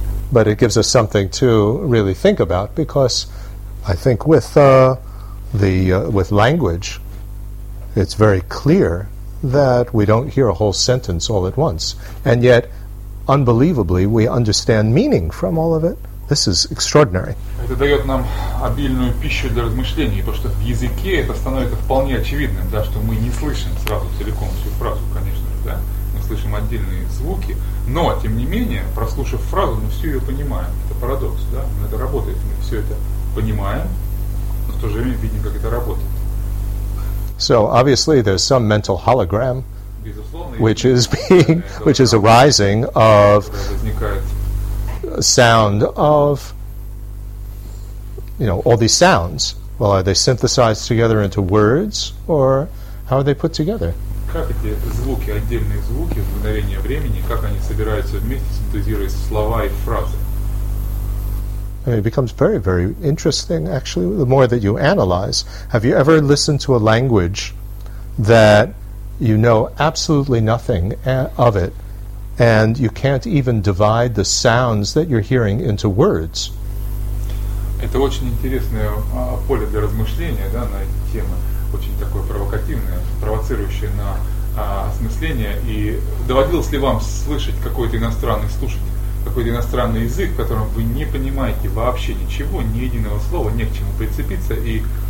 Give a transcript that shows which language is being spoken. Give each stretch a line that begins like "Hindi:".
English: But it gives us something to really think about, because I think with language, it's very clear that we don't hear a whole sentence all at once. And yet, unbelievably, we understand meaning from all of it. This is extraordinary.
Russian: Это дает нам обильную пищу для размышлений, потому что в языке это становится вполне очевидным, да, что мы не слышим сразу целиком всю фразу, конечно же, да. Мы слышим отдельные звуки, но, тем не менее, прослушав фразу, мы все ее понимаем. Это парадокс, да. Это работает. Мы все это понимаем, но в то же время видим, как это работает.
English: So obviously there's some mental hologram which is arising of sound of, you know, all these sounds. Well, are they synthesized together into words or how are they put together?
Russian: Как эти звуки, отдельные звуки в мгновение времени, как они собираются вместе, синтезируются слова и фразы?
English: I mean, it becomes very, very interesting, actually, the more that you analyze. Have you ever listened to a language that you know absolutely nothing of it, and you can't even divide the sounds that you're hearing into words?
Russian: Это очень интересное поле для размышления, да, на эти темы, очень такое провокативное, провоцирующее на осмысление. И доводилось ли вам слышать какой-то иностранный слушатель? Какой-то иностранный язык, в котором вы не понимаете вообще ничего, ни единого слова, не к чему прицепиться, и